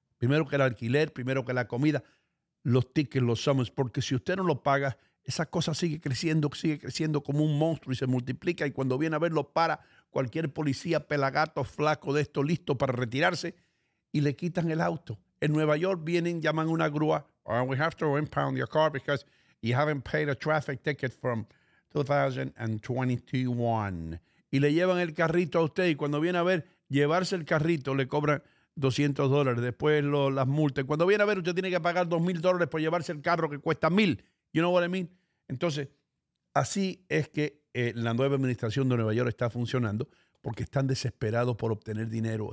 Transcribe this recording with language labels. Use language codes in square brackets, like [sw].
[es] Primero que el alquiler, primero que la comida, los tickets, los summons, porque si usted no lo paga, esa cosa sigue creciendo como un monstruo y se multiplica. Y cuando viene a verlo, para cualquier policía, pelagato, flaco de esto, listo para retirarse, y le quitan el auto. En Nueva York vienen, llaman una grúa. [en] We have to impound your car because you haven't paid a traffic ticket from 2021. [es] Y le llevan el carrito a usted, y cuando viene a ver, llevarse el carrito, le cobran $200, después las multas. Cuando viene a ver, usted tiene que pagar $2,000 por llevarse el carro que cuesta $1,000. [en] You know what I mean? [es] Entonces, así es que la nueva administración de Nueva York está funcionando, porque están desesperados por obtener dinero.